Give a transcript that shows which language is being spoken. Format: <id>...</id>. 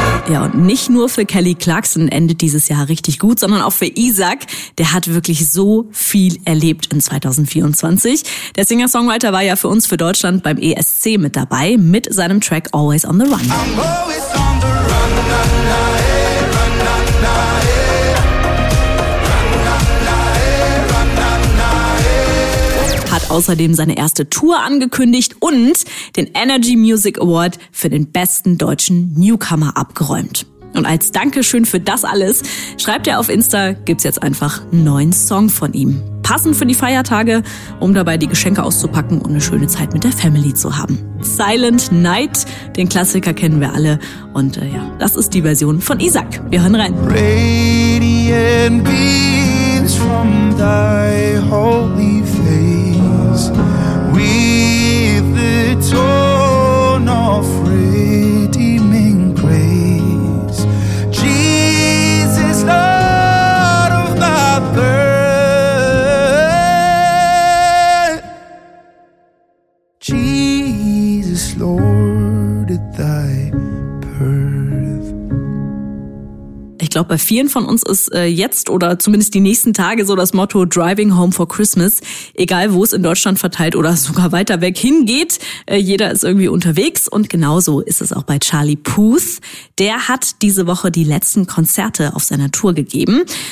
<de>Ja, und nicht nur für Kelly Clarkson endet dieses Jahr richtig gut, sondern auch für Isaac. Der hat wirklich so viel erlebt in 2024. Der Singer-Songwriter war ja für uns, für Deutschland, beim ESC mit dabei, mit seinem Track Always on the Run.</de> <en>I'm always on the run, na, na, eh, run, na, na, eh.</en> <de>Außerdem seine erste Tour angekündigt und den Energy Music Award für den besten deutschen Newcomer abgeräumt. Und als Dankeschön für das alles schreibt er auf Insta, gibt's jetzt einfach einen neuen Song von ihm. Passend für die Feiertage, um dabei die Geschenke auszupacken und eine schöne Zeit mit der Family zu haben. Silent Night, den Klassiker kennen wir alle. Und das ist die Version von Isaac. Wir hören rein.</de> <en>Radiant beams from thy holy face. With the tone of redeeming grace, Jesus, Lord of my birth, Jesus, Lord of thy birth.</en> <de>Ich glaube, bei vielen von uns ist jetzt oder zumindest die nächsten Tage so das Motto Driving Home for Christmas. Egal, wo es in Deutschland verteilt oder sogar weiter weg hingeht, jeder ist irgendwie unterwegs. Und genauso ist es auch bei Charlie Puth. Der hat diese Woche die letzten Konzerte auf seiner Tour gegeben.</de>